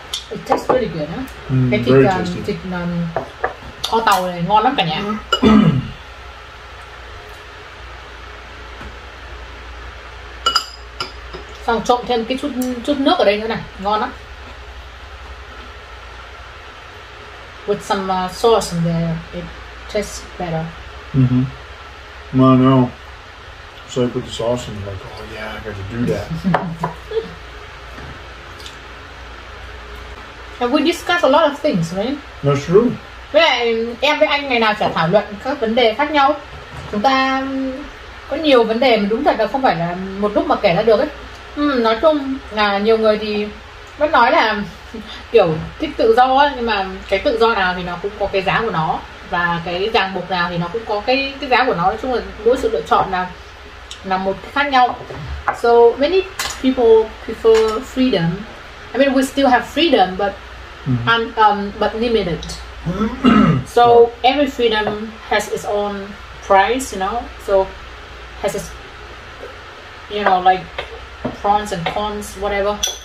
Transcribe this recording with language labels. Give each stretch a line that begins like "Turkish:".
English: It tastes really good, huh?
Vietnamese: Cái thịt kho tàu này ngon lắm cả nhà. Xong trộn thêm cái chút nước ở đây nữa này, ngon lắm.
English: With some sauce in there, it tastes better. Mm-hmm. Well, I know. So I put the sauce in, you're like, oh yeah, I got to do that. And we discuss a lot of things, right? That's true.
Vietnamese: Với lại, em với anh ngày nào sẽ thảo luận các vấn đề khác nhau. Chúng ta có nhiều vấn đề mà đúng thật là không phải là một lúc mà kể ra được ấy. Nói chung là nhiều người thì vẫn nói là kiểu thích tự do ấy, nhưng mà cái tự do nào thì nó cũng có cái giá của nó, và cái ràng buộc nào thì nó cũng có cái giá của nó. Nói chung là mỗi sự lựa chọn là một cái khác nhau.
English: So many people prefer freedom. I mean, we still have freedom but but limited. So every freedom has its own price, you know. So has its, you know, like pros and cons, whatever.